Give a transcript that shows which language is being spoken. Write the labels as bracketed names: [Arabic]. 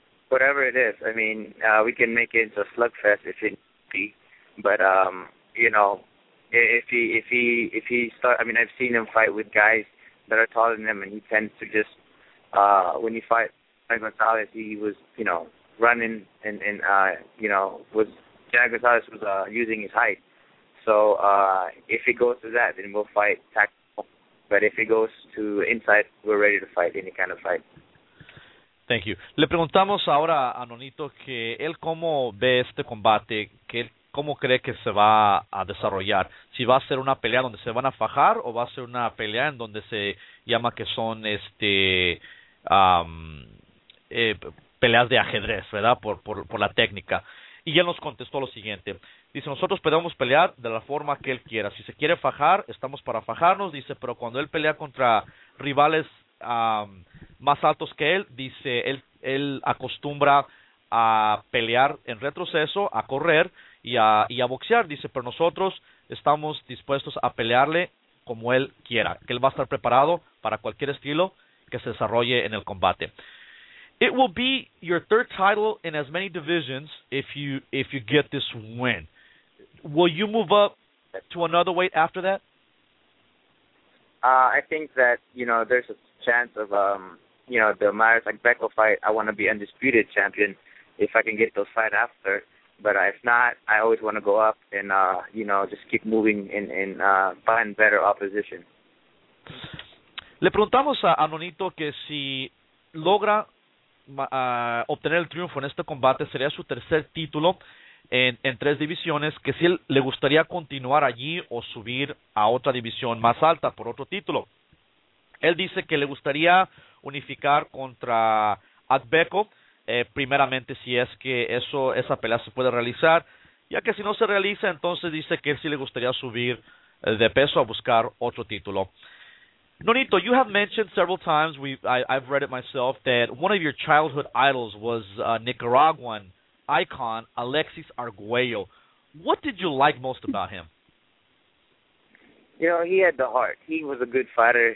[English] Whatever it is, I mean, we can make it into a slugfest if it be, but you know, if he starts, I mean, I've seen him fight with guys that are taller than him, and he tends to just when he fight Jack Gonzalez, he was, you know, running and you know, was Jack Gonzalez was using his height. So if he goes to that, then we'll fight tactical. But if he goes to inside, we're ready to fight any kind of fight. Thank you. [Spanish] Le preguntamos ahora a Nonito que él cómo ve este combate, que él cómo cree que se va a desarrollar. Si va a ser una pelea donde se van a fajar, o va a ser una pelea en donde se llama que son peleas de ajedrez, ¿verdad? Por la técnica. Y él nos contestó lo siguiente. Dice, nosotros podemos pelear de la forma que él quiera. Si se quiere fajar, estamos para fajarnos. Dice, pero cuando él pelea contra rivales más altos que él, dice, él acostumbra a pelear en retroceso, a correr y a boxear. Dice, pero nosotros estamos dispuestos a pelearle como él quiera, que él va a estar preparado para cualquier estilo que se desarrolle en el combate. [English] It will be your third title in as many divisions if you get this win. Will you move up to another weight after that? I think that, you know, there's a chance of, you know, the Myers like Beckel fight, I want to be undisputed champion if I can get those fight after. But if not, I always want to go up and, you know, just keep moving and find better opposition. [Spanish] Le preguntamos a Nonito que si logra obtener el triunfo en este combate, sería su tercer título en tres divisiones, que si él le gustaría continuar allí o subir a otra división más alta por otro título. Él dice que le gustaría unificar contra Agbeko, primeramente si es que esa pelea se puede realizar, ya que si no se realiza, entonces dice que él sí le gustaría subir de peso a buscar otro título. [English] Nonito, you have mentioned several times, I've read it myself, that one of your childhood idols was a Nicaraguan icon, Alexis Arguello. What did you like most about him? You know, he had the heart. He was a good fighter.